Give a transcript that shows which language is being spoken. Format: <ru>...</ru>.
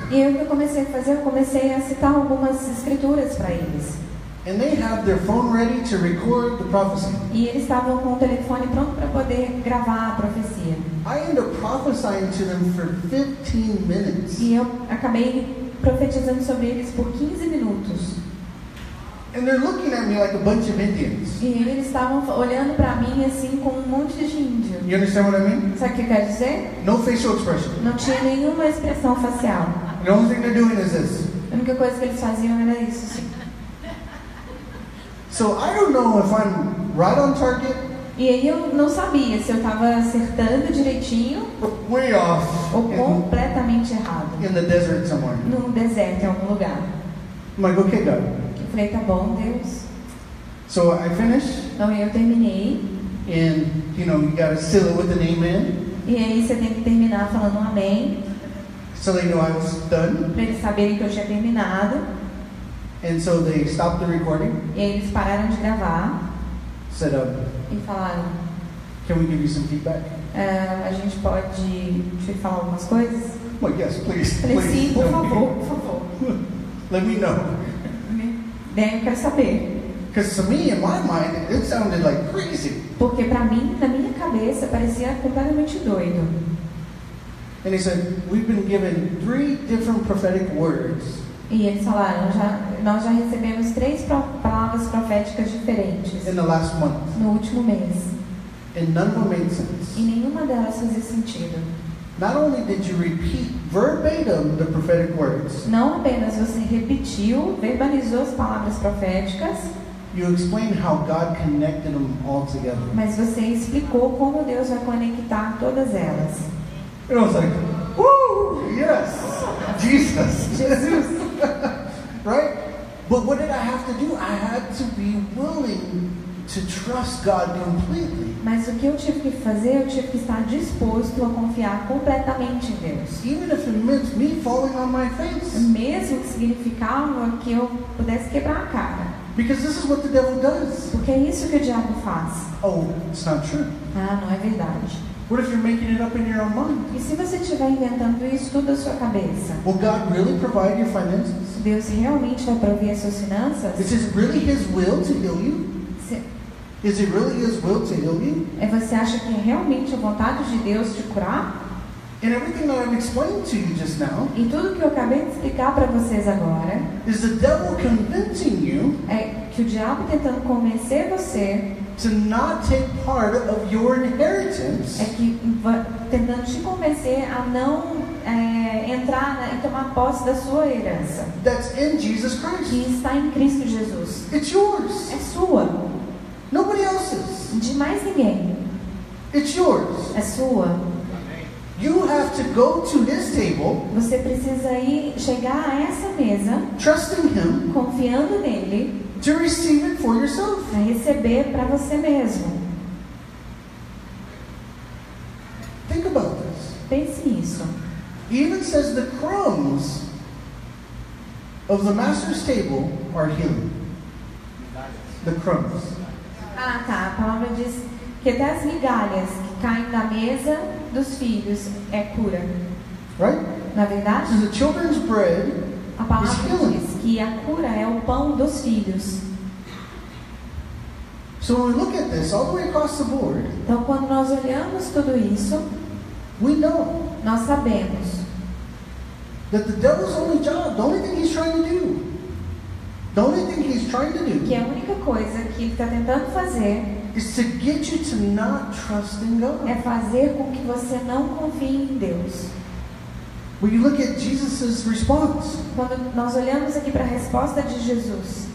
<pt>E eu comecei a fazer, eu comecei a citar algumas escrituras para eles.</pt> <en>And they have their phone ready to record the prophecy.</en> <pt>E eles estavam com o telefone pronto para poder gravar a profecia.</pt> <en>I ended up prophesying to them for 15 minutes.</en> <pt>E eu acabei profetizando sobre eles por 15 minutos.</pt> <en>And they're looking at me like a bunch of Indians.</en> <pt>E eles estavam olhando para mim assim com um monte de índio.</pt> <en>You understand what I mean?</en> <pt>Sabe o que quer dizer?</pt> <en>No facial expression.</en> <pt>Não tinha nenhuma expressão facial.</pt> <en>The only thing they're doing is this.</en> <pt>A única coisa que eles faziam era isso.</pt> <en>So I don't know if I'm right on target.</en> <pt>E aí eu não sabia se eu estava acertando direitinho.</pt> <en>Way off.</en> <pt>Ou completamente errado.</pt> <en>In the desert somewhere.</en> <pt>Num deserto em algum lugar.</pt> <en>I'm like, okay, God.</en> <pt>Falei, tá bom, Deus.</pt> <en>So I finish.</en> <pt>Então eu terminei.</pt> <en>And you know you got to seal it with an amen.</en> <pt>E aí você tem que terminar falando um amém.</pt> <en>So they know I was done.</en> <pt>Para eles saberem que eu tinha terminado.</pt> <en>And so they stopped the recording.</en> <pt>E aí eles pararam de gravar.</pt> <en>Set up.</en> <pt>E falaram,</pt> <en>Can we give you some feedback?</en> <pt>A gente pode te falar algumas coisas?</pt> <en>Well, yes, please.</en> <pt>Falei,</pt> <en>please,</en> <pt>sim, por favor, por favor.</pt> <en>Let me know.</en> <pt>Bem, eu quero saber.</pt> <en>Because to me, in my mind, it sounded like crazy.</en> <pt>Porque para mim, na minha cabeça, parecia completamente doido.</pt> <en>And he said, we've been given three different prophetic words.</en> <pt>E eles falaram, nós já recebemos três palavras proféticas diferentes.</pt> <en>In the last month.</en> <pt>No último mês.</pt> <en>And none of them made sense.</en> <pt>E nenhuma delas fazia sentido.</pt> <en>Not only did you repeat verbatim the prophetic words.</en> <pt>Não apenas você repetiu, verbalizou as palavras proféticas.</pt> <en>You explained how God connected them all together.</en> <pt>Mas você explicou como Deus vai conectar todas elas.</pt> <en>And I was like, woo, yes, Jesus.</en> <pt>Jesus.</pt> <en>Right? But what did I have to do? I had to be willing to trust God completely.</en> <pt>Mas o que eu tive que fazer? Eu tive que estar disposto a confiar completamente em Deus.</pt> <en>Even if it meant me falling on my face.</en> <pt>Mesmo que significava que eu pudesse quebrar a cara.</pt> <en>Because this is what the devil does.</en> <pt>Porque é isso que o diabo faz.</pt> <en>Oh, it's not true.</en> <pt>Ah, não é verdade.</pt> <en>What if you're making it up in your own mind?</en> <pt>E se você estiver inventando isso tudo na sua cabeça?</pt> <en>Will God really provide your finances?</en> <pt>Deus realmente vai prover as suas finanças?</pt> <en>Is it really His will to heal you? Is it really His will to heal you?</en> <pt>É, você acha que é realmente a vontade de Deus te curar?</pt> <en>And everything that I've explained to you just now.</en> <pt>E tudo que eu acabei de explicar para vocês agora.</pt> <en>Is the devil convincing you?</en> <pt>É que o diabo tentando convencer você.</pt> <en>To not take part of your inheritance.</en> <pt>É que tentando te convencer a não entrar e tomar posse da sua herança.</pt> <en>That's in Jesus Christ.</en> <pt>Que está em Cristo Jesus.</pt> <en>It's yours.</en> <pt>É sua.</pt> <en>Nobody else's.</en> <pt>De mais ninguém.</pt> <en>It's yours.</en> <pt>É sua.</pt> <en>You have to go to his table.</en> <pt>Você precisa ir chegar a essa mesa.</pt> <en>Trusting him.</en> <pt>Confiando nele.</pt> <en>To receive it for yourself.</en> <pt>Para receber para você mesmo.</pt> <en>Think about this.</en> <pt>Pense nisso.</pt> <en>He even says the crumbs of the master's table are him. The crumbs.</en> <pt>Ah, tá. A palavra diz que até as migalhas que caem da mesa dos filhos é cura.</pt> <en>Right?</en> <pt>Na verdade,</pt> <en>so the children's bread,</en> <pt>a palavra diz que a cura é o pão dos filhos.</pt> <en>So when we look at this all the way across the board,</en> <pt>então, quando nós olhamos tudo isso,</pt> <en>we know,</en> <pt>nós sabemos</pt> <en>that the devil's only job, the only thing he's trying to do. The only thing he's trying to do,</en> <pt>que a única coisa que ele está tentando fazer,</pt> <en>is to get you to not trust in God.</en> <pt>É fazer com que você não confie em Deus.</pt> <en>When you look at Jesus's response,</en> <pt>quando nós olhamos aqui para a resposta de Jesus,</pt>